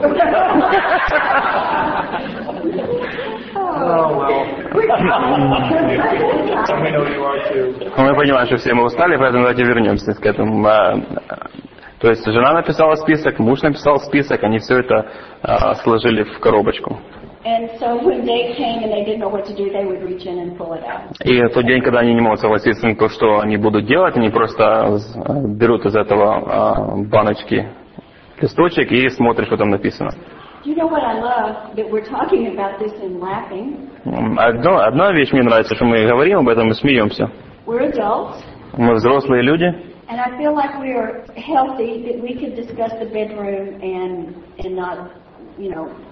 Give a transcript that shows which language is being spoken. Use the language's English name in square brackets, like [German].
[Russian] Мы понимаем, что все мы устали, поэтому давайте вернемся к этому. То есть жена написала список, муж написал список, они все это сложили в коробочку. [English] And so when they came and they didn't know what to do, they would reach in and pull it out. [Russian] И в тот день, когда они не могут согласиться на то, что они будут делать, они просто берут из этого баночки листочек и смотрят, что там написано. [English] Do you know what I love that we're talking about this and laughing? [Russian] Одна вещь мне нравится, что мы говорим об этом и смеемся. [English] We're adults. [Russian] Мы взрослые люди. [English] And I feel like we are healthy that we could discuss the bedroom and not, you know.